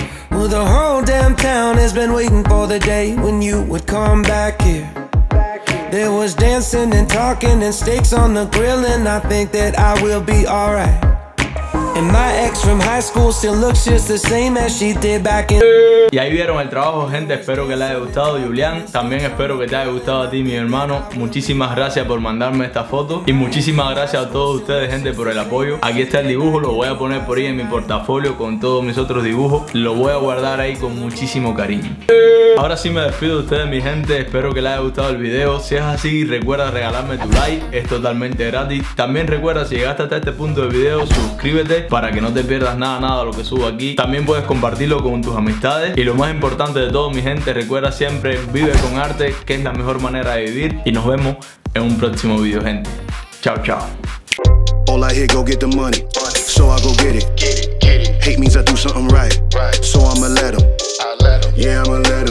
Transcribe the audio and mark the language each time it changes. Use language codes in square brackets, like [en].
[en] Well, the whole damn town has been waiting for the day when you would come back here. There was dancing and talking and steaks on the grill, and I think that I will be alright. And my ex from high school still looks just the same as she did back in. [es] Y ahí vieron el trabajo, gente. Espero que les haya gustado, Julián. También espero que te haya gustado a ti, mi hermano. Muchísimas gracias por mandarme esta foto. Y muchísimas gracias a todos ustedes, gente, por el apoyo. Aquí está el dibujo, lo voy a poner por ahí en mi portafolio con todos mis otros dibujos. Lo voy a guardar ahí con muchísimo cariño. Ahora sí me despido de ustedes, mi gente. Espero que les haya gustado el video. Si es así, recuerda regalarme tu like. Es totalmente gratis. También recuerda, si llegaste hasta este punto del video, suscríbete para que no te pierdas nada de lo que subo aquí. También puedes compartirlo con tus amistades. Y lo más importante de todo, mi gente, recuerda siempre, vive con arte, que es la mejor manera de vivir. Y nos vemos en un próximo video, gente. Chao, chao. [en] All I hear, go get the money. So I go get it. Hate means I do something right. So I'ma let him. Yeah, I'ma let him.